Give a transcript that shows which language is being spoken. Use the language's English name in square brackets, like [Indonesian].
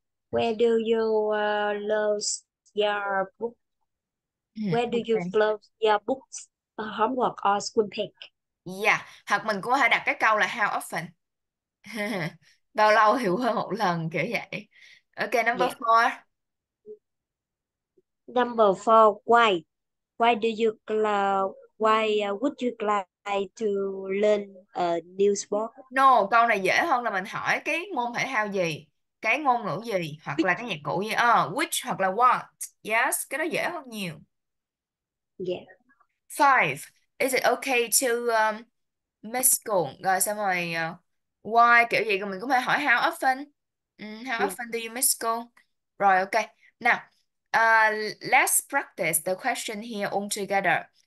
[English] Where do you lose your book? Where do you Ok. lose your books? Homework or school pack? [Vietnamese] Yeah, hoặc mình cũng có thể đặt cái câu là how often. Bao lâu thì hơn một lần kiểu vậy. [English] Ok, number 4. Number 4, why? Why would you like to learn a new sport? [Vietnamese] No, câu này dễ hơn là mình hỏi cái môn thể thao gì. cái ngôn ngữ gì hoặc là cái nhạc cụ gì. Which hoặc là what. Yes, cái đó dễ hơn nhiều. [English] Yeah. Five, is it okay to miss school? [Vietnamese] Rồi xong rồi why, kiểu gì mình cũng phải hỏi how often. [English] How often do you miss school? Rồi ok. Now, let's practice the question here all together.